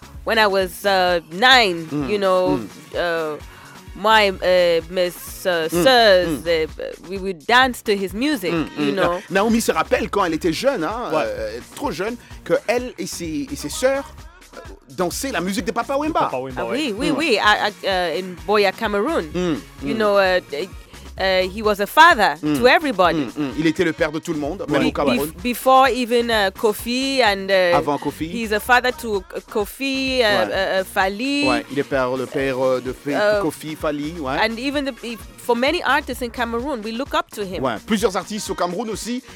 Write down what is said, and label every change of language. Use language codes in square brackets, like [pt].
[en] When I was nine, you know, my [fr] sœurs, [en] we would dance to his music, you know. [fr] Naomi se rappelle quand elle était jeune, hein, ouais. Trop jeune, que elle et ses sœurs dansaient la musique de Papa Wemba. [en] In Boya, Cameroon, you know, he was a father to everybody. [fr] Il était le père de tout le monde, même au Cameroun. [en] Before even Kofi and [fr] avant Kofi, [en] he's a father to Kofi, Fally. [fr] Ouais, il est le père de Kofi, Fally. Ouais. [en] And even for many artists in Cameroon, we look up to him. [fr] Ouais. Plusieurs artistes au Cameroun aussi.